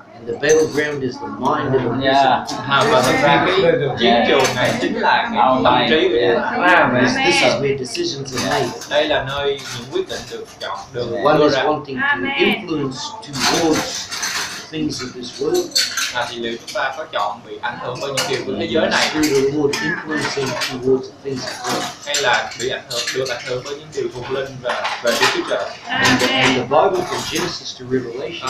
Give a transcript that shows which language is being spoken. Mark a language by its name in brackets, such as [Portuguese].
[English] And the battleground is the mind of the person. [Vietnamese] Và thực ra cái chiến trường này chính là cái tâm trí của chúng ta. [English] This is where decisions are made. [Vietnamese] Đây là nơi những quyết định được chọn, được đưa ra. [English] One is wanting to influence towards things of this world. [Vietnamese] Thì liệu chúng ta có chọn bị ảnh hưởng bởi những điều của thế giới này? [English] Through the world influencing towards things of God. [Vietnamese] Hay là bị ảnh hưởng, được ảnh hưởng bởi những điều thuộc linh và Đức Chúa Trời? [English] And the Bible from Genesis to Revelation.